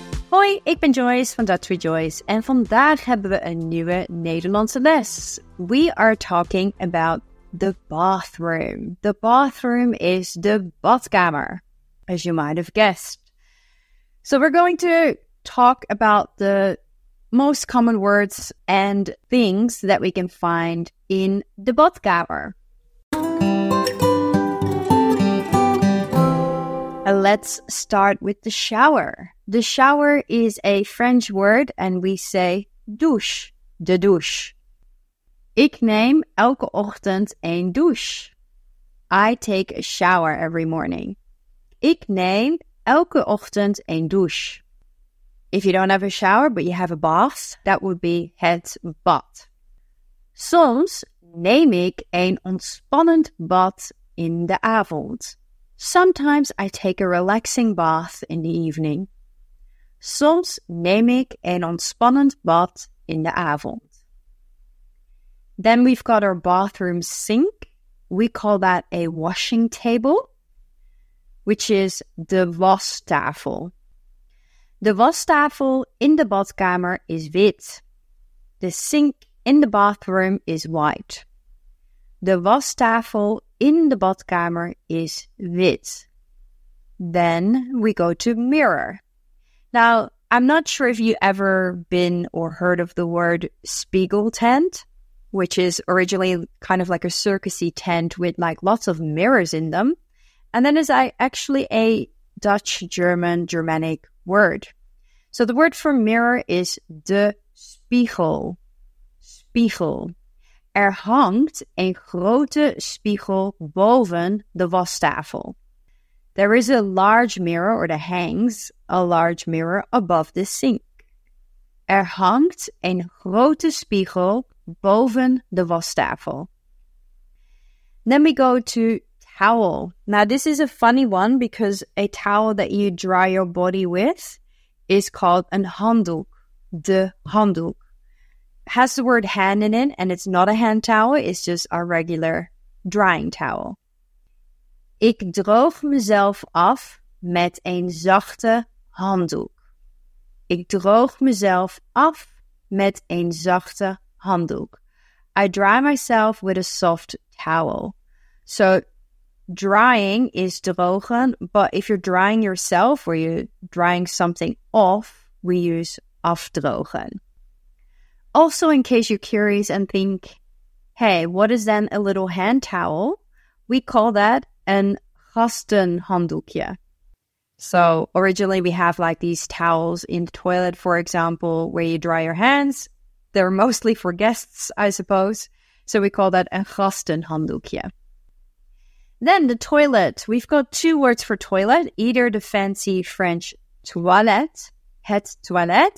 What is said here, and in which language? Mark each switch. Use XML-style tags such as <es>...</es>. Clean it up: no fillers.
<nl>Hoi, ik ben Joyce van Dutch with Joyce en vandaag hebben we een nieuwe Nederlandse les.</nl> <en>We are talking about the bathroom. The bathroom is the badkamer, as you might have guessed. So we're going to talk about the most common words and things that we can find in the badkamer. Let's start with the shower. The shower is a French word and we say douche, de douche.</en> <nl>Ik neem elke ochtend een douche.</nl> <en>I take a shower every morning.</en> <nl>Ik neem elke ochtend een douche.</nl> <en>If you don't have a shower but you have a bath, that would be het bad.</en> <nl>Soms neem ik een ontspannend bad in de avond.</nl> <en>Sometimes I take a relaxing bath in the evening.</en> <nl>Soms neem ik een ontspannend bad in de avond.</nl> <en>Then we've got our bathroom sink. We call that a washing table, which is de wastafel.</en> <nl>De wastafel in de badkamer is wit.</nl> <en>The sink in the bathroom is white.</en> <nl>De wastafel in de badkamer is wit.</nl> <en>Then we go to mirror. Now, I'm not sure if you've ever been or heard of the word spiegel tent, which is originally kind of like a circusy tent with like lots of mirrors in them. And then is actually a Dutch-German-Germanic word. So the word for mirror is de spiegel. Spiegel.</en> <nl>Er hangt een grote spiegel boven de wastafel.</nl> <en>There is a large mirror, or there hangs a large mirror above the sink.</en> <nl>Er hangt een grote spiegel boven de wastafel.</nl> <en>Then we go to towel. Now, this is a funny one because a towel that you dry your body with is called een handdoek.</en> <nl>De handdoek.</nl> <en>Has the word hand in it and it's not a hand towel. It's just a regular drying towel.</en> <nl>Ik droog mezelf af met een zachte handdoek. Ik droog mezelf af met een zachte handdoek.</nl> <en>Handdoek. I dry myself with a soft towel. So drying is drogen, but if you're drying yourself or you're drying something off, we use afdrogen. Also, in case you're curious and think, hey, what is then a little hand towel? We call that een gastenhanddoekje. So originally we have like these towels in the toilet, for example, where you dry your hands. They're mostly for guests, I suppose. So we call that a gastenhanddoekje. Then the toilet. We've got two words for toilet. Either the fancy French toilette, het toilet.</en>